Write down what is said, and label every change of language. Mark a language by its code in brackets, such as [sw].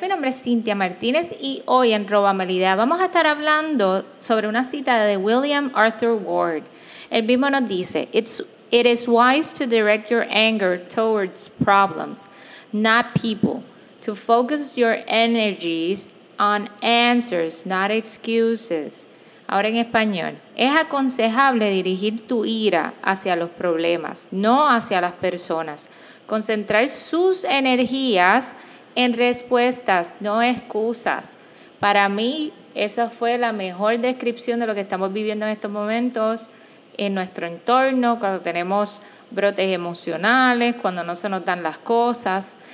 [es] Mi nombre es Cintia Martínez y hoy en Roba Melidea vamos a estar hablando sobre una cita de William Arthur Ward. El mismo nos dice, [en] It is wise to direct your anger towards problems, not people. To focus your energies on answers, not excuses. [es] Ahora en español. Es aconsejable dirigir tu ira hacia los problemas, no hacia las personas. Concentrar sus energías en respuestas, no excusas. Para mí, esa fue la mejor descripción de lo que estamos viviendo en estos momentos en nuestro entorno, cuando tenemos brotes emocionales, cuando no se nos dan las cosas.